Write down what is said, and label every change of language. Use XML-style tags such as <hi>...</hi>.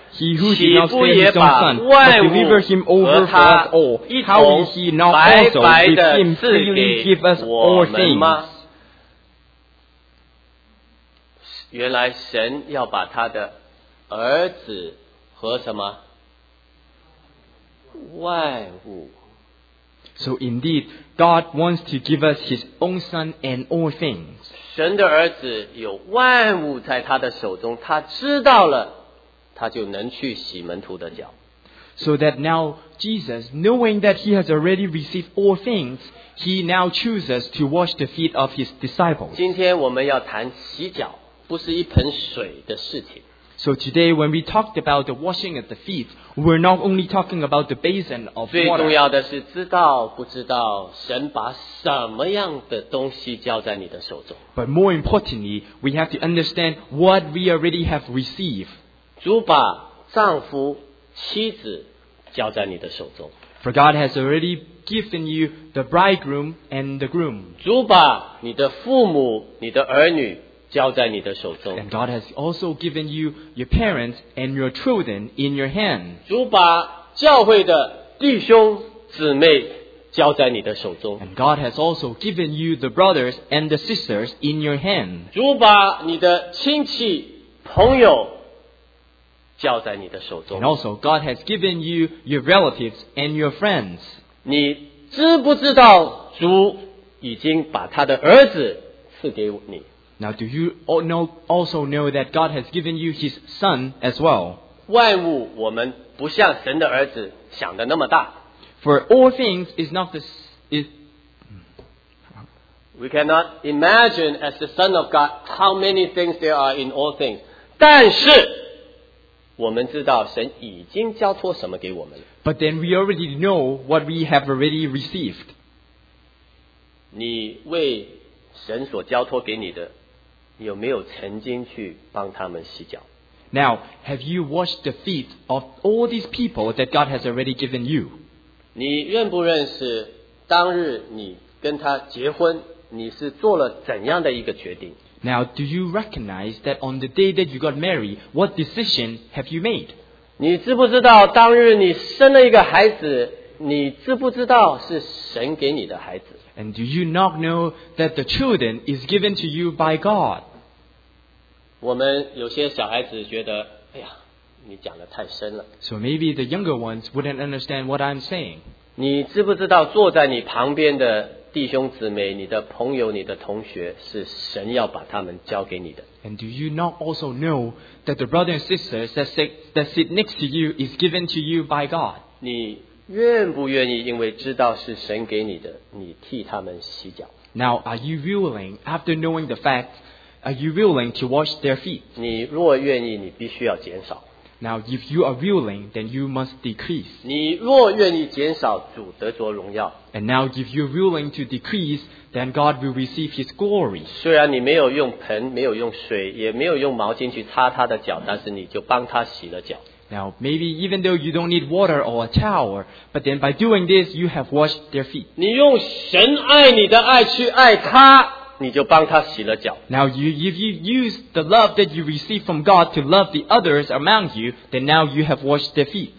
<en>He who did not spare his own son, but deliver him over for us all, how will he not also with him freely give us all things?</en> <zh>原来神要把他的儿子和什么外物。</zh> <en>So indeed, God wants to give us his own son and all things.</en> <zh>神的儿子有万物在他的手中，他知道了。他就能去洗门徒的脚。</zh> <en>So that now Jesus, knowing that he has already received all things, he now chooses to wash the feet of his disciples.</en> <zh>今天我们要谈洗脚，不是一盆水的事情。</zh> <en>So today when we talked about the washing of the feet, we're not only talking about the basin of water.</en> <zh>最重要的是知道不知道神把什么样的东西交在你的手中。</zh> <en>But more importantly, we have to understand what we already have received.</en> <zh>主把丈夫、妻子交在你的手中。</zh> <en>For God has already given you the bridegroom and the groom.</en> <zh>主把你的父母、你的儿女交在你的手中。</zh> <en>And God has also given you your parents and your children in your hand.</en> <zh>主把教会的弟兄姊妹交在你的手中。</zh> <en>And God has also given you the brothers and the sisters in your hand.</en> <zh>主把你的亲戚、朋友交在你的手中。</zh> <en>And also, God has given you your relatives and your friends.</en> <zh>你知不知道主已经把他的儿子赐给你？</zh> <en>Now, do you also know that God has given you his son as well?</en> <zh>万物我们不像神的儿子想的那么大。</zh> <en>For all things is not the... We cannot imagine as the son of God how many things there are in all things.</en> <zh>但是我们知道神已经交托什么给我们了。</zh> <en>But then we already know what we have already received.</en> <zh>你为神所交托给你的，有没有曾经去帮他们洗脚？</zh> <en>Now, have you washed the feet of all these people that God has already given you?</en> <zh>你认不认识当日你跟他结婚，你是做了怎样的一个决定？</zh> <en>Now, do you recognize that on the day that you got married, what decision have you made?</en> <zh>你知不知道当日你生了一个孩子，你知不知道是神给你的孩子？</zh> <en>And do you not know that the children is given to you by God?</en> <zh>我们有些小孩子觉得，哎呀，你讲得太深了。</zh> <en>So maybe the younger ones wouldn't understand what I'm saying.</en> <zh>你知不知道坐在你旁边的弟兄姊妹、你的朋友、你的同学是神要把他们交给你的？</zh> <en>And do you not also know that the brothers and sisters that sit next to you is given to you by God?</en> <zh>你愿不愿意因为知道是神给你的，你替他们洗脚？</zh> <en>Now, are you willing, after knowing the fact, are you willing to wash their feet?</en> <zh>你若愿意，你必须要减少。</zh> <en>Now, if you are willing, then you must decrease.</en> <zh>你若愿意减少，主得着荣耀。</zh> <en>And now, if you're willing to decrease, then God will receive His glory.</en> <zh>虽然你没有用盆，没有用水，也没有用毛巾去擦他的脚，但是你就帮他洗了脚。</zh> <en>Now, maybe even though you don't need water or a towel, but then by doing this, you have washed their feet.</en> <zh>你用神爱你的爱去爱他，你就帮他洗了脚。</zh> <en>Now, if you use the love that you receive from God to love the others among you, then now you have washed their feet.</en>